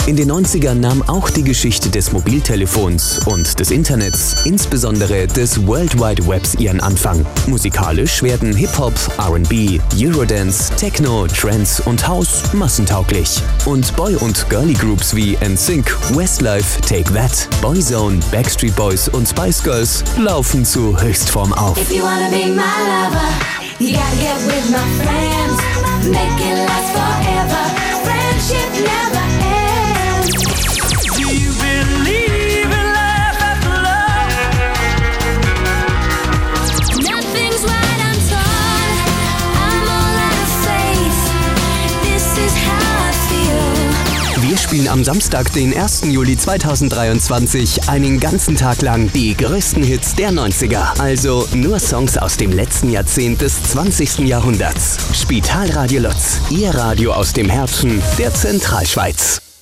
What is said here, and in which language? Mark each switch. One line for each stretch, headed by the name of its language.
German: In den 90ern nahm auch die Geschichte des Mobiltelefons und des Internets, insbesondere des World Wide Webs, ihren Anfang. Musikalisch werden Hip-Hop, R&B, Eurodance, Techno, Trance und House massentauglich. Und Boy- und Girly-Groups wie NSYNC, Westlife, Take That, Boyzone, Backstreet Boys und Spice Girls laufen zu Höchstform auf.
English: If you wanna be my lover, you gotta get with my friends, make it last forever, friendship never ends. Do you believe in love after love? Nothing's right, I'm torn, I'm all out of faith, this is how I feel.
German: Wir spielen am Samstag, den 1. Juli 2023, einen ganzen Tag lang die größten Hits der 90er. Also nur Songs aus dem letzten Jahrzehnt des 20. Jahrhunderts. Spitalradio Lutz, Ihr Radio aus dem Herzen der Zentralschweiz.